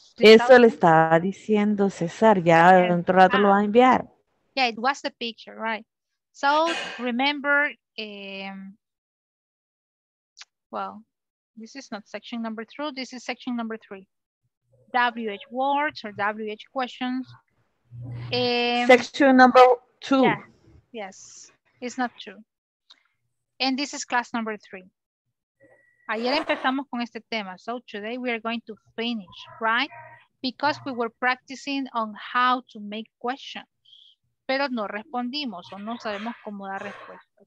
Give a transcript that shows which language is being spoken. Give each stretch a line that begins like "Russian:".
Spanish: Eso le estaba diciendo César, ya dentro rato lo va a enviar.
English: Yeah, it was the picture, right? So remember, well, this is not section number two, this is section number three. WH words or WH questions. Section number two. Yeah. Yes, it's not two. And this is class number three.
Spanish: Ayer empezamos con este tema.
English: So today we are going to finish, right? Because we were practicing on how to make questions.
Spanish: Pero no respondimos o no sabemos cómo dar respuesta.